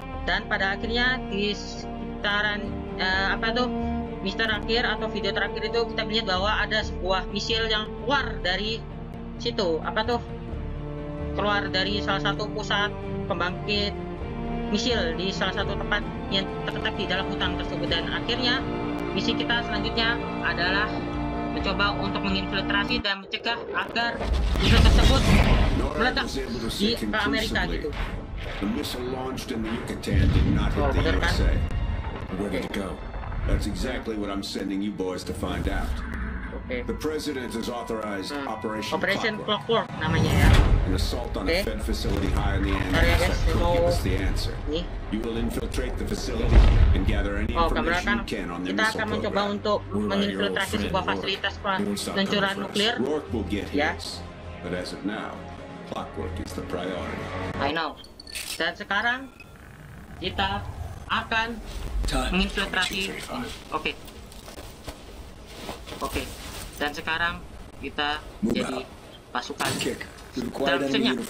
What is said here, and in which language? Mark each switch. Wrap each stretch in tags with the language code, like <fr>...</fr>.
<id>Dan pada akhirnya di sekitaran mister akhir atau video terakhir itu, kita melihat bahwa ada sebuah misil yang keluar dari situ, keluar dari salah satu pusat pembangkit misil di salah satu tempat yang terletak di dalam hutan tersebut. Dan akhirnya misi kita selanjutnya adalah mencoba untuk menginfiltrasi dan mencegah agar misil tersebut meledak di Amerika gitu.</id> <en>The missile launched in the Yucatan did not hit the USA. Where did it go? That's exactly what I'm sending you boys to find out. Okay. The president has authorized Operation Clockwork</en> <id>namanya ya.</id> <en>An assault on a Fed facility high in the Andes could give us the answer. You will infiltrate the facility and gather any information you can on their missile program.</en> <id>Kita akan mencoba untuk menginfiltrasi sebuah fasilitas peluncuran nuklir.</id> <en>Rourke will get his, but as of now, Clockwork is the priority. I know.</en> <id>Dan sekarang kita akan menginfiltrasi. Oke. Dan sekarang kita jadi pasukan dalam senyap.</id>